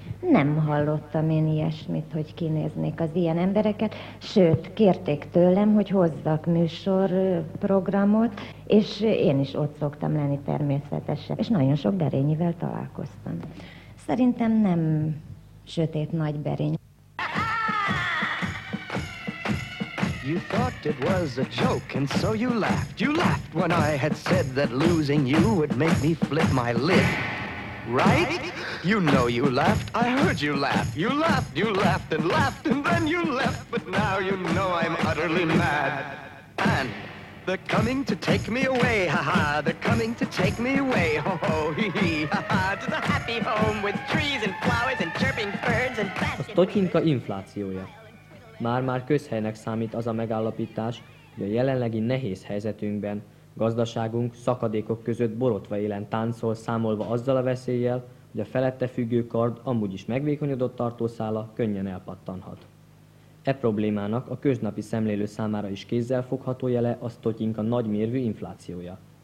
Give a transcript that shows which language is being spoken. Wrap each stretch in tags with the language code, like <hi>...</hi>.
<hu>Nem hallottam én ilyesmit, hogy kinéznék az ilyen embereket, sőt, kérték tőlem, hogy hozzak műsorprogramot, és én is ott szoktam lenni természetesen, és nagyon sok berényivel találkoztam. Szerintem nem sötét nagy berény.</hu> <en>You thought it was a joke, and so you laughed. You laughed when I had said that losing you would make me flip my lid. Right? You know you laughed. I heard you laugh. You laughed, you laughed, and laughed, and then you left. But now you know I'm utterly mad. And they're coming to take me away, ha-ha. They're coming to take me away, ho-ho, hee-hee, ha-ha. To the happy home with trees and flowers and chirping birds and baskets.</en> <hu>A Totyinka inflációja. Már-már közhelynek számít az a megállapítás, hogy a jelenlegi nehéz helyzetünkben gazdaságunk szakadékok között borotva élen táncol, számolva azzal a veszéllyel, hogy a felette függő kard amúgy is megvékonyodott tartószála könnyen elpattanhat. E problémának a köznapi szemlélő számára is kézzel fogható jele a Totyinka nagymérvű inflációja.</hu>